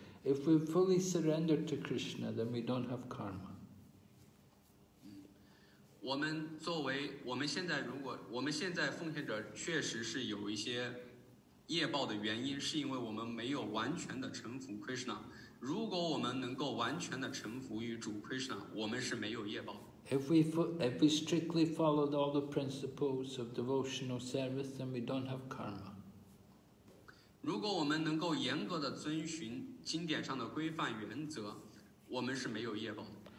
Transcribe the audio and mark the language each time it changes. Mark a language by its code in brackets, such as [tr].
[en] If we fully surrender to Krishna, then we don't have karma. [zh] 我们现在奉献者确实是有一些业报的原因，是因为我们没有完全的臣服 Krishna. 如果我们能够完全的臣服于主 Krishna, 我们是没有业报。 [en] If we strictly followed all the principles of devotional service, then we don't have karma. [zh] 如果我们能够严格的遵循经典上的规范原则，我们是没有业报的。